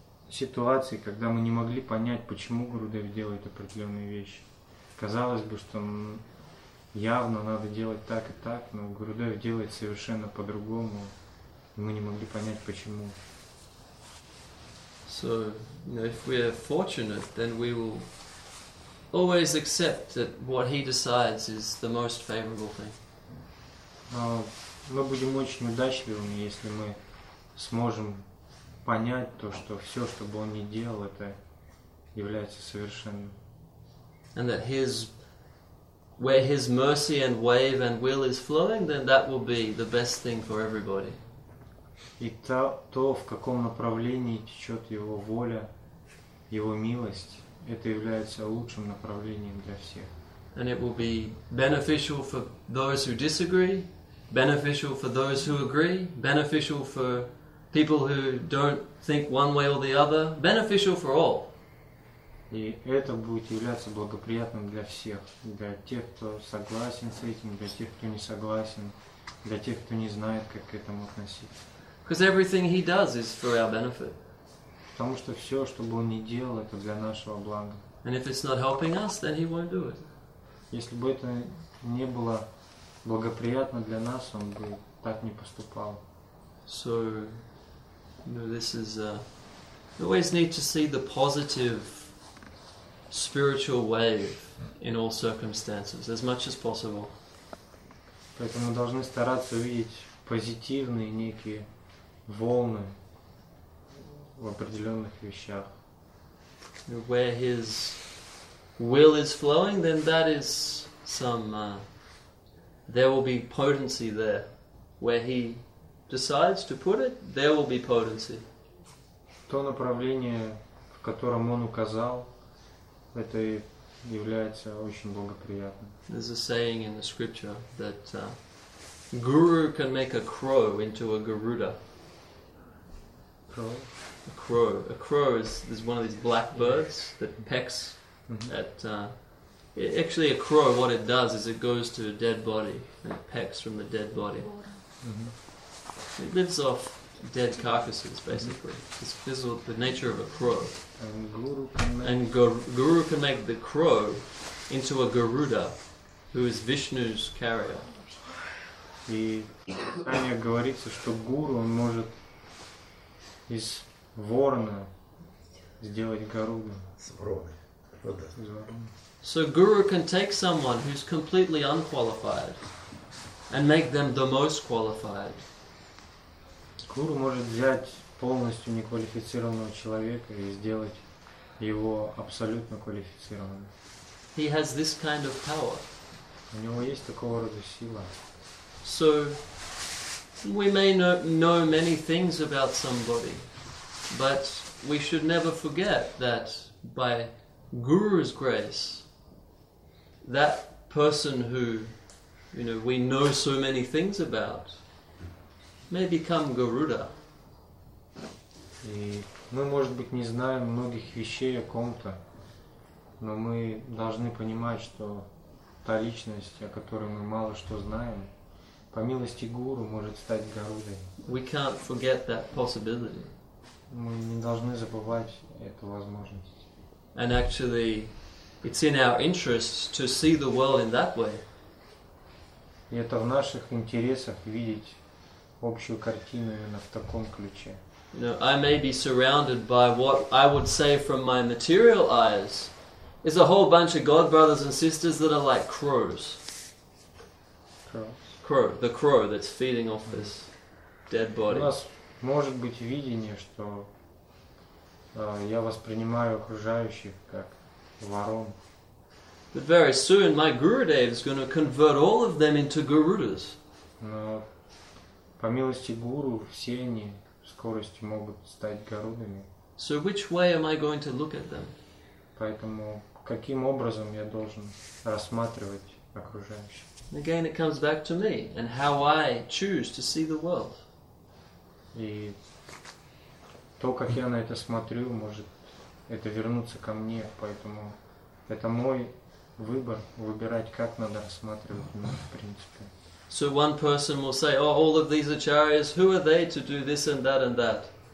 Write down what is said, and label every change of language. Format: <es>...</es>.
<ru>ситуации, когда мы не могли понять, почему Гурудев делает определенные вещи. Казалось бы, что явно надо делать так и так, но Гурудев делает совершенно по-другому, и мы не могли понять, почему.</ru> <en>So, you know, if we are fortunate, then we will always accept that what he decides is the most favorable thing.</en> <ru>Мы будем очень удачливыми, если мы сможем понять то, что все, что бы он ни делал, это является совершенным.</ru> <en>And that his, where his mercy and wave and will is flowing, then that will be the best thing for everybody.</en> <ru>И то, в каком направлении течет его воля, его милость, это является лучшим направлением для всех.</ru> <en>And it will be beneficial for those who disagree, beneficial for those who agree, beneficial for people who don't think one way or the other, beneficial for all.</en> <ru>И это будет являться благоприятным для всех, для тех, кто согласен с этим, для тех, кто не согласен, для тех, кто не знает, как к этому относиться.</ru> <en>Because everything he does is for our benefit.</en> <ru>Потому что все, что бы он ни делал, это для нашего блага.</ru> <en>And if it's not helping us, then he won't do it.</en> <ru>Если бы это не было благоприятно для нас, он бы так не поступал.</ru> <en>So, you know, this is we always need to see the positive spiritual wave in all circumstances as much as possible.</en> <ru>Поэтому должны стараться увидеть позитивные некие волны в определенных вещах.</ru> <en>Where his will is flowing, then that is some there will be potency there. Where he decides to put it, there will be potency.</en> <ru>То направление, в котором он указал, это и является очень благоприятным.</ru> <en>There's a saying in the scripture that guru can make a crow into a Garuda. Crow. A crow. A crow is one of these black birds that pecks at... actually, a crow, what it does is it goes to a dead body and it pecks from the dead body. Mm-hmm. It lives off dead carcasses, basically. Mm-hmm. This is the nature of a crow. And guru can make... And guru can make the crow into a Garuda, who is Vishnu's carrier. And it</en> <ru>говорится,</ru> <en>that guru can make...</en> <ru>из ворона сделать Гаруду. С вороны.</ru> <en>So guru can take someone who's completely unqualified and make them the most qualified.</en> <ru>Гуру может взять полностью неквалифицированного человека и сделать его абсолютно квалифицированным.</ru> <en>He has this kind of power.</en> <ru>У него есть такого рода сила.</ru> <en>So we may know many things about somebody, but we should never forget that by Guru's grace, that person who, you know, we know so many things about, may become Garuda.</en> <ru>И мы, может быть, не знаем многих вещей о ком-то, но мы должны понимать, что та личность, о которой мы мало что знаем, по милости Гуру может стать Гарудой.</ru> <en>We can't forget that possibility.</en> <ru>Мы не должны забывать эту возможность.</ru> <en>And actually, it's in our interest to see the world in that way.</en> <ru>И это в наших интересах видеть общую картину именно в таком ключе.</ru> <en>You know, I may be surrounded by what I would say from my material eyes is a whole bunch of God brothers and sisters that are like crows. Crow, the crow that's feeding off this dead body.</en> <ru>У нас может быть видение, что я воспринимаю окружающих как ворон.</ru> <en>But very soon my Gurudev is going to convert all of them into Garudas.</en> <ru>Но по милости Гуру все они скорости могут стать Гарудами.</ru> <en>So which way am I going to look at them?</en> <ru>Поэтому каким образом я должен рассматривать окружающих?</ru> <en>Again, it comes back to me and how I choose to see the world.</en> <ru>И то, как я на это смотрю, может это вернуться ко мне, поэтому это мой выбор выбирать, как надо рассматривать мир, в принципе.</ru> <en>So one person will say, "Oh, all of these acharyas, who are they to do this and that and that?"</en>